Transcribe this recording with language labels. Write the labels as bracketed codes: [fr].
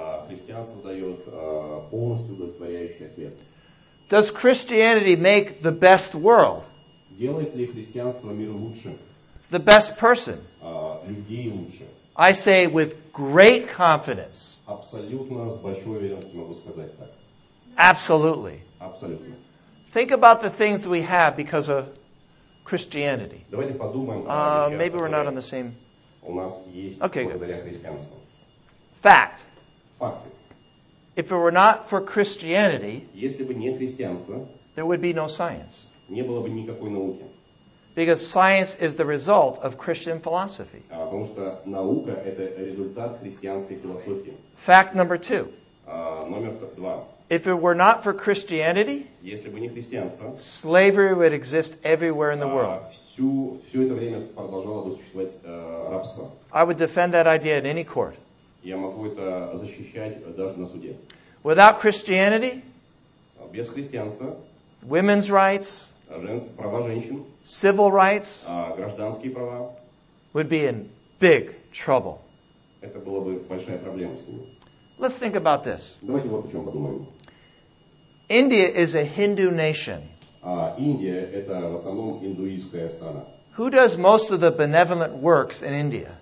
[ru] христианство дает полностью удовлетворяющий ответ. [en] Does Christianity make the best world? [ru] Делает ли христианство мир лучше? [en] The best person? [ru] Людей лучше. [en] I say with great confidence. [ru] Абсолютно с большой уверенностью могу сказать так. [en] Absolutely. [ru] Абсолютно. [en] Think about the things we have because of Christianity. [ru] Давайте подумаем. [en] Maybe we're not on the same. [ru] У нас есть. [en] Okay. [ru] Благодаря христианству. [en] Fact. [ru] Факт. [en] If it were not for Christianity, [ru] если бы не христианство, [en] there would be no science. [ru] Не было бы никакой науки. [en] Because science is the result of Christian philosophy. [ru] Потому что наука это результат христианской философии. [en] Fact number two. [ru] Номер два. [en] If it were not for Christianity, [ru] если бы не христианство, [en] slavery would exist everywhere in the world. [ru] Всю это время продолжало бы существовать рабство. [en] I would defend that idea in any court. [ru] Я могу это защищать даже на суде. [en] Without Christianity, [ru] без христианства, [en] women's rights, [ru] права женщин, [en] civil rights, [ru] гражданские права, [en] would be in big trouble. [ru] Это была бы большая проблема с ними. [en] Let's think about this. [ru] Давайте вот о чем подумаем. [en] India is a Hindu nation. [ru] Индия это в основном индуистская страна. [en] Who does most of the benevolent works in India?